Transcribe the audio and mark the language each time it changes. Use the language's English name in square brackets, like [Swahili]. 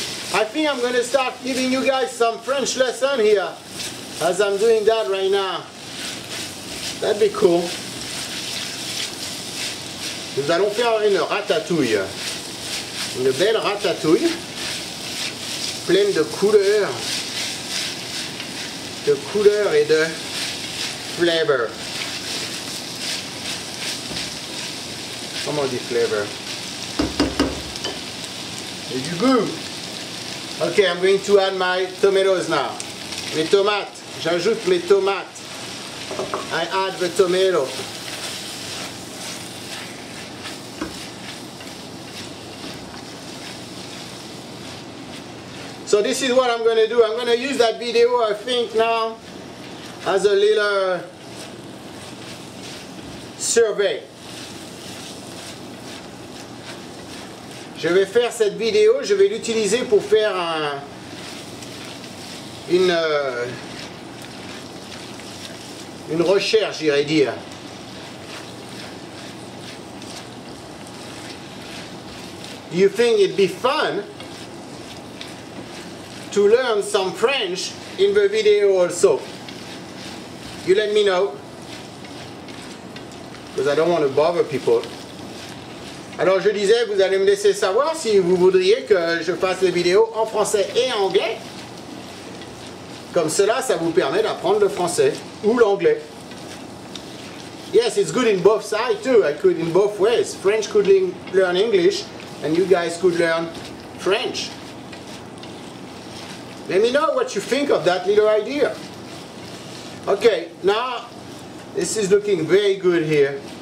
[English] I think I'm going to start giving you guys some French lesson here, as I'm doing that right now. That'd be cool. [French] Nous allons faire une ratatouille, une belle ratatouille, pleine de couleurs et de flavor. Comment on dit flavor? Et du goût. [English] Okay, I'm going to add my tomatoes now. [French] Mes tomates, j'ajoute mes tomates. [English] I add the tomato. So this is what I'm gonna do. I'm gonna use that video, I think, now as a little survey. [French] Je vais faire cette vidéo, je vais l'utiliser pour faire une recherche, j'irais dire. [English] You think it'd be fun to learn some French in the video also? You let me know. because I don't want to bother people. [French] Alors je disais, vous allez me laisser savoir si vous voudriez que je fasse des vidéos en français et en anglais. Comme cela, ça vous permet d'apprendre le français ou l'anglais. [English] Yes, it's good in both sides too. I could in both ways. French could learn English and you guys could learn French. Let me know what you think of that little idea. Okay, now this is looking very good here.